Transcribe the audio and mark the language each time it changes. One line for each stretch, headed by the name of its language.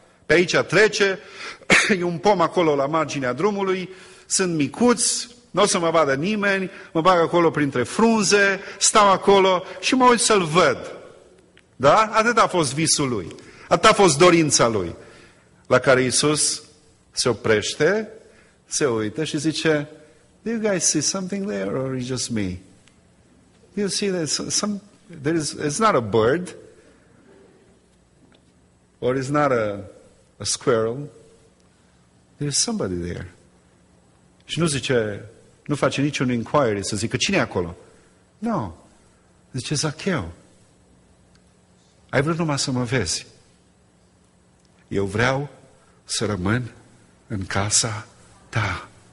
Romanian: Pe aici trece, e un pom acolo la marginea drumului, sunt micuți, nu o să mă vadă nimeni, mă bag acolo printre frunze, stau acolo și mă uit să-l văd. Da? Atât a fost visul lui. Atât a fost dorința lui. La care Iisus se oprește, se uită și zice,
English: Do you guys see something there, or is it just me? Do you see that some there is? It's not a bird, or it's not a squirrel. There's somebody there.
Romanian: Și nu zice, nu face niciun inquiry să zică, cine e acolo? No. Zice, Zacheu. Ai vrut numai să mă vezi. Eu vreau să rămân în casa ta.